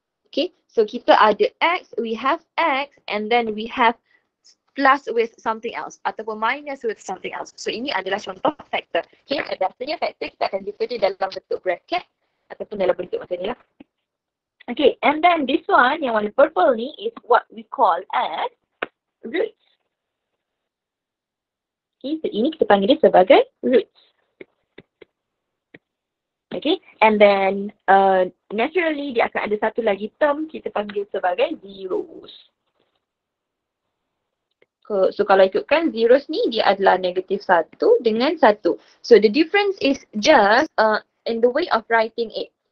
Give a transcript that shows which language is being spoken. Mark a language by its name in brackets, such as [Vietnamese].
[English] Okay, so [Malay] kita ada X, [English] we have X and then we have plus with something else [Malay] ataupun [English] minus with something else. [Malay] So ini adalah contoh factor. Okay, biasanya factor kita akan lipat dia dalam bentuk bracket ataupun dalam bentuk macam ni lah. [English] Okay, and then this one [Malay] yang warna purple ni [English] is what we call as roots. [Malay] Okay, so ini kita panggil dia sebagai roots. Okay, [English] and then naturally [Malay] dia akan ada satu lagi term kita panggil sebagai zeros. So kalau ikutkan zeros ni dia adalah negatif 1 dengan 1. [English] So the difference is just in the way of writing it.